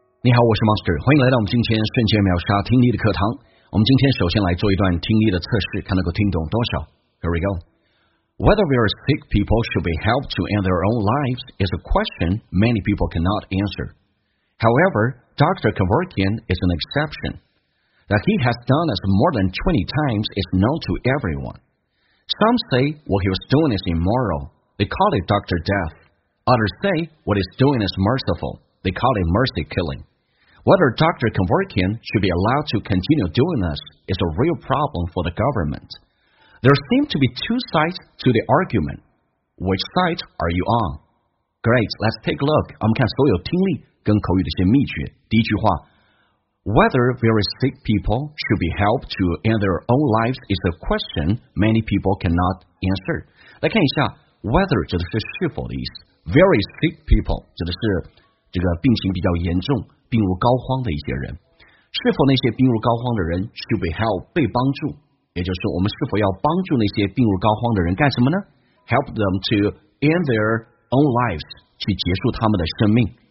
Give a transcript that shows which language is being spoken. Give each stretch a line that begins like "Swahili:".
Chinese: 你好，我是 Monster， 欢迎来到我们今天瞬间秒杀听力的课堂。我们今天首先来做一段听力的测试，看能够听懂多少。
English: Here we go. Whether we are sick people should be helped to end their own lives is a question many people cannot answer. However, Dr. Kevorkian is an exception. That he has done this more than 20 times is known to everyone. Some say what he was doing is immoral. They call it Dr. Death. Others say what he's doing is merciful. They call it mercy killing. Whether Dr. Kevorkian should be allowed to continue doing this is a real problem for the government. There seem to be two sides to the argument. Which side are you on? Great, let's take a look.
Chinese: 我们看所有听力跟口语的一些秘诀。第一句话
English: Whether very sick people should be helped to end their own lives is a question many people cannot answer.
Chinese: 来看一下 Whether 指的是是否的意思
English: Very sick people
Chinese: 指的是这个病情比较严重病入膏肓的一些人是否那些病入膏肓的人
English: should be helped
Chinese: 被帮助也就是我们是否要帮助那些病入膏肓的人干什么呢
English: help them to end their own lives
Chinese: 去结束他们的生命